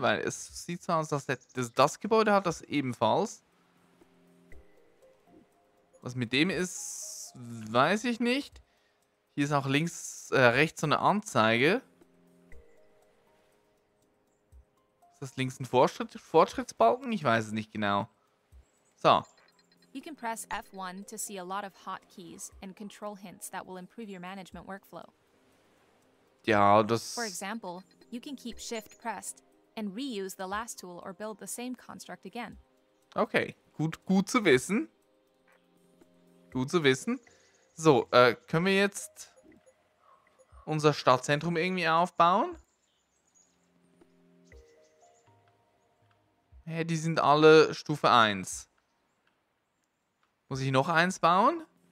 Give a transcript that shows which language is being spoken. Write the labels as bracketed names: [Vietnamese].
[German] Weil es sieht so aus, dass das Gebäude hat das ebenfalls. Was mit dem ist, weiß ich nicht. Hier ist auch links, rechts so eine Anzeige. Das links ein Fortschrittsbalken? Ich weiß es nicht genau. So. [English] You can press F1 to see a lot of hotkeys and control hints that will improve your management workflow. [German] Ja, das... [English] For example, you can keep Shift pressed and reuse the last tool or build the same construct again. [German] Okay, gut zu wissen. Gut zu wissen. So, können wir jetzt unser Stadtzentrum irgendwie aufbauen? Hä, die sind alle Stufe 1. Muss ich noch eins bauen?